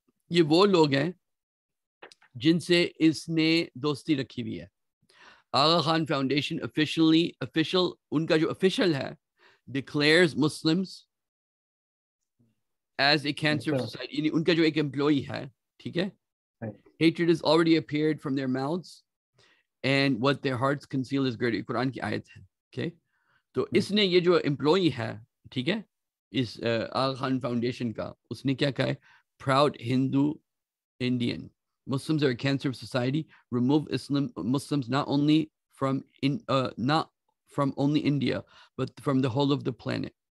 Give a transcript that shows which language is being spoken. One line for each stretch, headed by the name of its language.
Urdu: یہ وہ لوگ ہیں جن سے اس نے دوستی رکھی ہوئی ہے.
English: Aga Khan foundation official,
Urdu: ان کا جو official ہے,
English: declares Muslims as a cancer of society.
Urdu: یعنی ان کا جو ایک employee ہے, ٹھیک ہے,
English: hatred has already appeared from their mouths and what their hearts conceal is greater.
Urdu: قرآن کی آیت ہے. تو اس نے, یہ جو امپلوئی ہے, ٹھیک ہے, اس آغا خان فاؤنڈیشن کا, اس نے کیا کہا ہے,
English: Proud Hindu Indian Muslims are cancer of society, remove Islam Muslims not only India but from the whole of the plant.